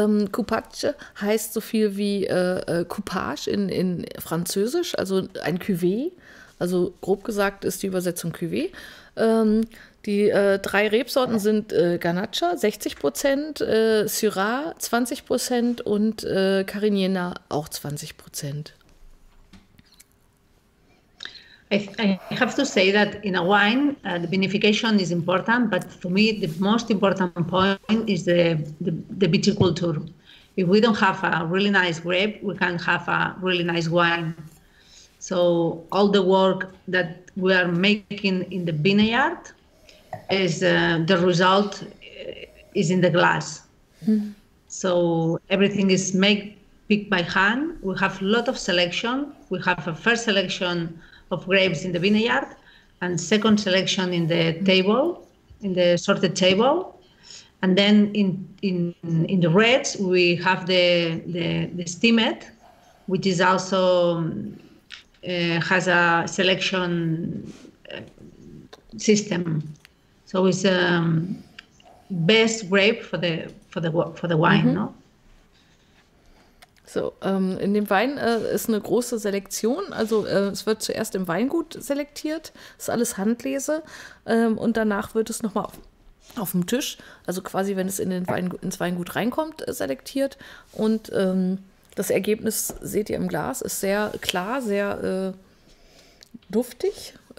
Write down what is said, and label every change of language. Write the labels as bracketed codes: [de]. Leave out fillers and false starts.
[de] Cupatge heißt so viel wie Coupage in Französisch, also ein Cuvée. Also grob gesagt ist die Übersetzung Cuvée. Die drei Rebsorten sind Garnatxa 60%, Syrah 20% und Carignana auch 20%. [en] I have to say that in a wine, the vinification is important, but for me the most important point is the viticulture. If we don't have a really nice grape, we can't have a really nice wine. So all the work that we are making in the vineyard, is the result is in the glass. So everything is made, picked by hand. We have a lot of selection. We have a first selection of grapes in the vineyard and second selection in the table, in the sorted table. And then in the reds, we have the steamed, which is also has a selection system. So it's the best grape for the wine, mm-hmm. no? [de] So, in dem Wein ist eine große Selektion. Also es wird zuerst im Weingut selektiert, ist alles Handlese und danach wird es nochmal auf dem Tisch, also quasi wenn es in den Wein, ins Weingut reinkommt, selektiert. Und das Ergebnis seht ihr im Glas, ist sehr klar, sehr duftig.